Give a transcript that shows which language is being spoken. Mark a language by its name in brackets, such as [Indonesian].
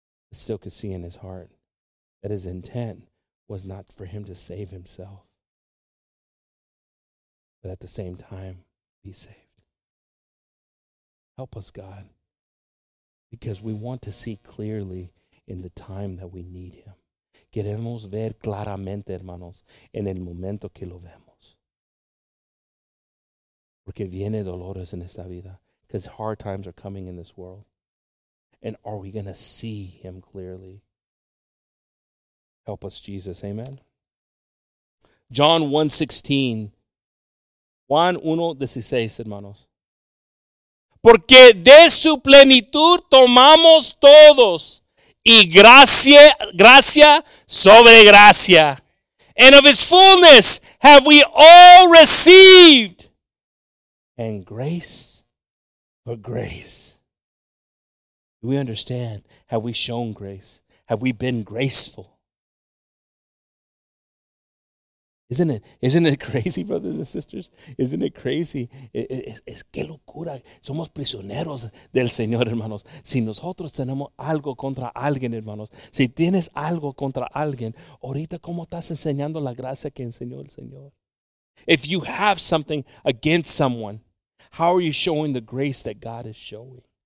[English] But still could see in his heart that his intent was not for him to save himself, but at the same time, be saved. Help us, God, because we want to see clearly in the time that we need him. [Spanish] Queremos ver claramente, hermanos, en el momento que lo vemos. Porque viene dolores en esta vida, [English] because hard times are coming in this world. And are we going to see him clearly? Help us, Jesus. Amen. John 1:16. Juan 1:16, hermanos. Porque de su plenitud tomamos todos, y gracia sobre gracia. And of his fullness have we all received. And grace for grace. Do we understand? Have we shown grace? Have we been graceful? Isn't it crazy, brothers and sisters? Isn't it crazy? [Spanish] Es que locura. Somos prisioneros del Señor, hermanos. Si nosotros tenemos algo contra alguien, hermanos, si tienes algo contra alguien, ahorita, ¿cómo estás enseñando la gracia que enseñó el Señor? [English] If you have something against someone, how are you showing the grace that God is showing?